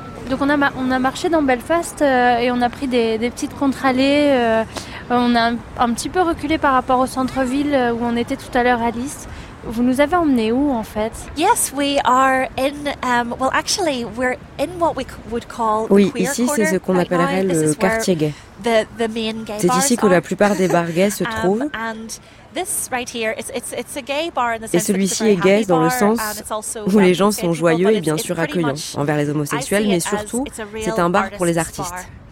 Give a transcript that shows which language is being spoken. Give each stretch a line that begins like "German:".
French: Donc on a marché dans Belfast et on a pris des petites contre-allées. On a un petit peu reculé par rapport au centre-ville où on était tout à l'heure à Lys. Vous nous avez emmenés où en fait?
English: Yes, we are in. Well, actually, we're in what we would call the queer corner.
French: Oui, ici c'est ce qu'on appellerait le quartier gay.
English: The main gay bars.
French: C'est ici que la plupart des bars gays se trouvent. Et celui-ci est gay dans le sens où les gens sont joyeux et bien sûr accueillants envers les homosexuels, mais surtout, c'est un bar pour les artistes.